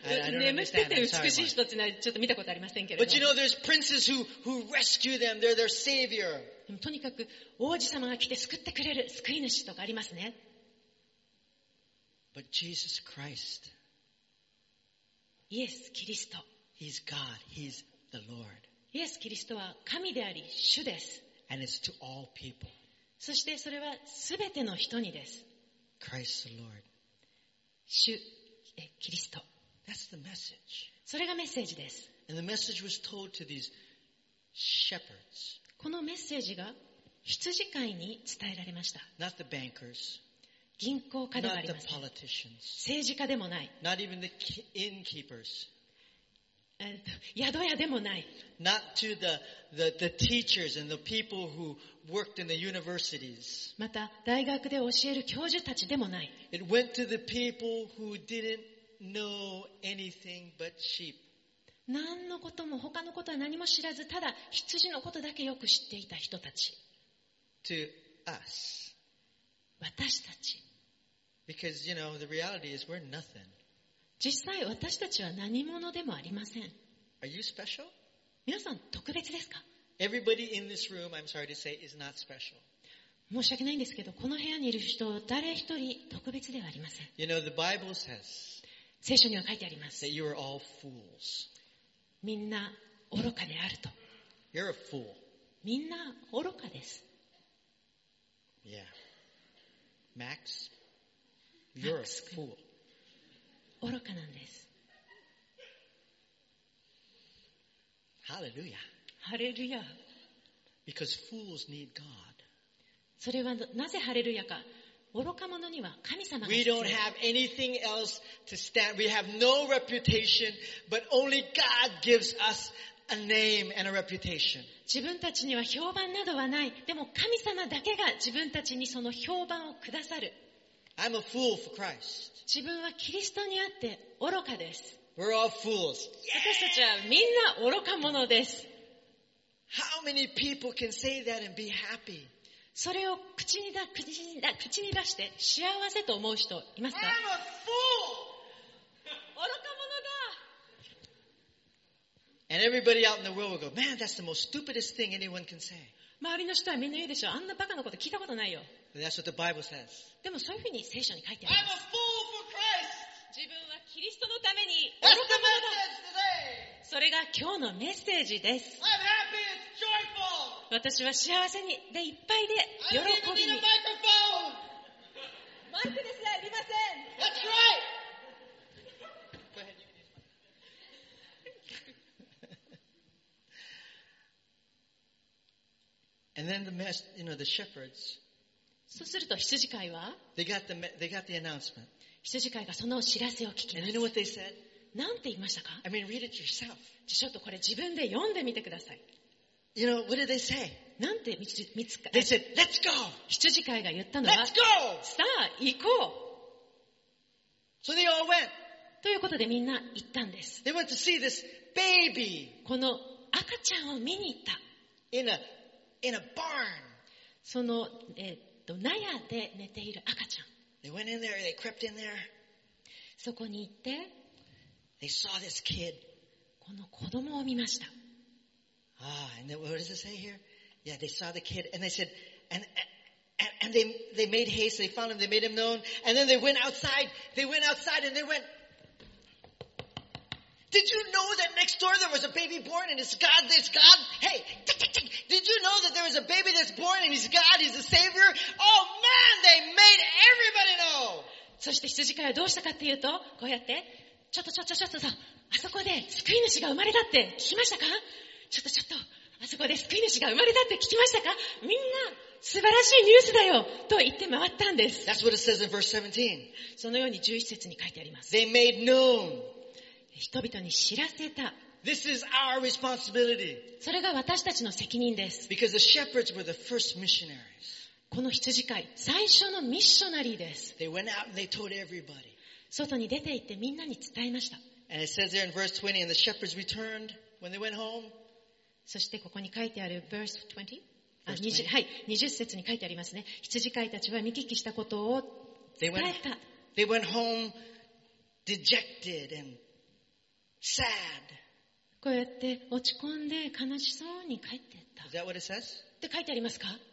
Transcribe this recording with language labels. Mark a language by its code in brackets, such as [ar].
[ja] 眠ってて美しい人ってのはちょっと見たことありませんけれど。 [en] But you know, there's princes who rescue them. They're their savior. [ja] でもとにかく王子様が来て救ってくれる救い主とかありますね。 [en] But Jesus Christ. [ja] イエス・キリスト。 [en] He's God. He's the Lord. [ja] イエス・キリストは神であり主です。 [en] And it's to all people. [ja] そしてそれはすべての人にです。 [en] Christ the Lord. [ja] 主。キリスト。 [en] That's the message. [ja] それがメッセージです。 [en] And the message was told to these shepherds. [ja] このメッセージが羊飼いに伝えられました。 [en] Not the bankers. [ja] 銀行家ではありません。 [en] Not the politicians. [ja] 政治家でもない。 [en] Not even the innkeepers. [ja] 宿屋でもない。 [en] Not to the teachers and the people who worked in the universities. [ja] また大学で教える教授たちでもない。 [en] It went to the people who didn't know anything but sheep. [ja] 何のことも他のことは何も知らず、ただ羊のことだけよく知っていた人たち。 [en] To us. [ja] 私たち。 [en] Because you know the reality is we're nothing. [ja] 実際私たちは何者でもありません。 [en] Are you special? [ja] 皆さん特別ですか？ [en] Everybody in this room, I'm sorry to say, is not special. [ja] 申し訳ないんですけど、この部屋にいる人誰一人特別ではありません。 [en] You know, the Bible says [ja] 聖書には書いてあります。 [en] That you are all fools. [ja] みんな愚かであると。 [en] You're a fool. [ja] みんな愚かです。 [en] Yeah. Max, you're a fool. [ja] 愚かなんです。ハレルヤ。ハレルヤ。 [en] Because fools need God. [ja] それはなぜハレルヤか。愚か者には神様が必 [en] 要。We don't have anything else to stand. We have no reputation, but only God gives us a name and a reputation. [ja] 自分たちには評判などはない。でも神様だけが自分たちにその評判をくださる。 [en] I'm a fool for Christ. [ja] 自分はキリストにあって愚かです。 [en] We're all fools. [ja] 私たちはみんな愚か者です。 [en] How many people can say that and be happy? [ja] それを口に出して幸せと思う人いますか？ [en] I'm a fool. [ja] 愚か者だ。 [en] And everybody out in the world will go, man, that's the most stupidest thing anyone can say. [ja] 周りの人はみんな言うでしょ。あんなバカなこと聞いたことないよ。 [en] That's what the Bible says. [ja] でもそういうふうに聖書に書いてあります。 [en] I'm a fool for Christ. [ja] 自分はキリストのために愚か者だ。それが今日のメッセージです。 [en] I'm happy, it's joyful. [ja] 私は幸せにでいっぱいで喜びに。 [en] I don't need a microphone. [ja] マイクですらありません。 [en] That's right. Go ahead, you And then the mess, you know, the shepherds. [ja] そうすると羊飼いは [en] they got the announcement. [ja] 羊飼いがその知らせを聞きます。 [en] And you know what they said? [ja] なんて言いましたか？ [en] I mean, read it yourself. [ja] ちょっとこれ自分で読んでみてください。 [en] You know, what did they say? [ja] なんて見つか [en] They said, let's go! [ja] 羊飼いが言ったのは [en] Let's go! [ja] さあ、行こう。 [en] So they all went. [ja] ということでみんな行ったんです。 [en] They went to see this baby. [ja] この赤ちゃんを見に行った。 [en] In a barn. [ja] その、納屋で寝ている赤ちゃん。 [en] They went in there, they crept in there. [ja] そこに行って、 [en] They saw this kid. [ja] この子供を見ました。 [en] And what does it say here? Yeah, they saw the kid and they said, and they made haste, they found him, they made him known, and then they went outside and they went, Did you know that next door there was a baby born and it's God? Hey, did you know that there was a baby that's born and he's God, he's the Savior? Oh man, they made everybody know! [ja] そして羊飼いはどうしたかっていうと、こうやって、ちょっと、あそこで救い主が生まれたって聞きましたか? ちょっと、あそこで救い主が生まれたって聞きましたか?みんな、素晴らしいニュースだよと言って回ったんです。 [en] That's what it says in verse 17. [ja] そのように11節に書いてあります。 [en] They made known. [ja] 人々に知らせた。 [en] This is our responsibility. [ja] それが私たちの責任です。 [en] Because the shepherds were the first missionaries. [ja] この羊飼い、最初のミッショナリーです。 [en] They went out and they told everybody. [ja] 外に出て行ってみんなに伝えました。 [en] And it says there in verse 20, and the shepherds returned when they went home. [ja] そしてここに書いてある20、はい、20節に書いてありますね。羊飼いたちは見聞きしたことを伝えた。 [en] They went home dejected and sad. [ja] こうやって落ち込んで悲しそうに帰っていった。 [en] Is that what it says? [ja] って書いてありますか?